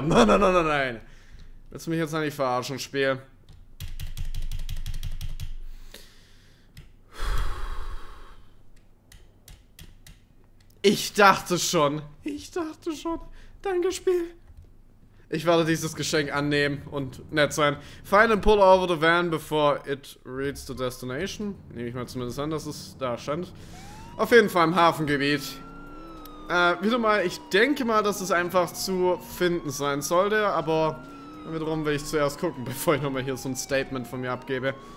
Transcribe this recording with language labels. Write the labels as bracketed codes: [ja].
[de] Nein, nein, nein, nein, nein. Willst du mich jetzt eigentlich verarschen, Spiel? Ich dachte schon. Ich dachte schon. Danke, Spiel. Ich werde dieses Geschenk annehmen und nett sein. [en] Find and pull over the van before it reaches the destination. [de] Nehme ich mal zumindest an, dass es da stand. Auf jeden Fall im Hafengebiet. Wieder mal, ich denke mal, dass es einfach zu finden sein sollte, aber wiederum will ich zuerst gucken, bevor ich nochmal hier so ein Statement von mir abgebe.